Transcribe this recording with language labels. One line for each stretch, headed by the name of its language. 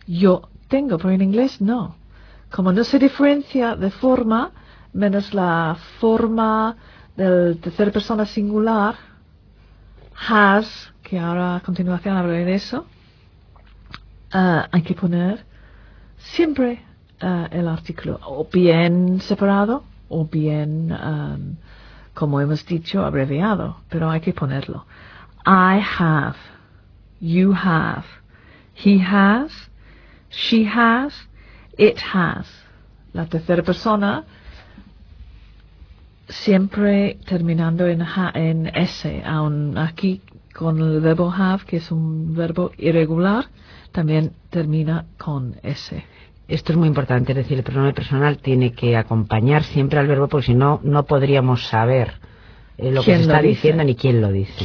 Spanish: Yo tengo, pero en inglés no. Como no se diferencia de forma, menos la forma del tercer persona singular, has, que ahora a continuación hablaré de eso, hay que poner siempre el artículo, o bien separado, o bien, como hemos dicho, abreviado, pero hay que ponerlo.
English: I have, you have, he has, she has, it has.
Spanish: La tercera persona siempre terminando en S, aun aquí con el verbo have, que es un verbo irregular, también termina con S. Esto es muy importante, es decir, el pronombre personal tiene que acompañar siempre al verbo, porque si no, no podríamos saber lo que se está diciendo ni quién lo dice.